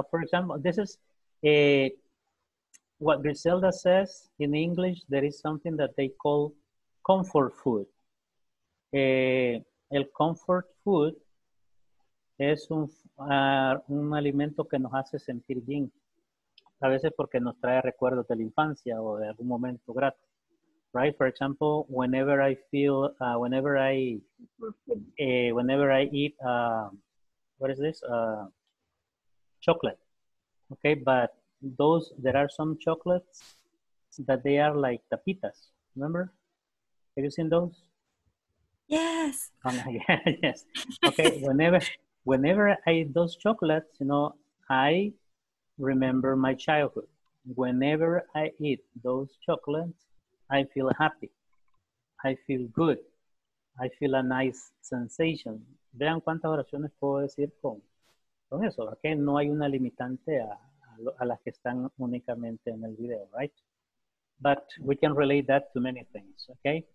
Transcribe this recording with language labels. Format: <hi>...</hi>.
<en>For example, this is what Griselda says in English, there is something that they call comfort food.</en> <es>El comfort food es un alimento que nos hace sentir bien. A veces porque nos trae recuerdos de la infancia o de algún momento grato.</es> <en>Right, for example, whenever I feel, chocolate, okay, but there are some chocolates that they are like tapitas, remember? Have you seen those? Yes. Yes. Okay. whenever I eat those chocolates, you know, I remember my childhood. Whenever I eat those chocolates, I feel happy. I feel good. I feel a nice sensation.</en> <es>Vean cuántas oraciones puedo decir con eso. Okay. No hay una limitante a las que están únicamente en el video, right?</es> <en>But we can relate that to many things, okay?</en>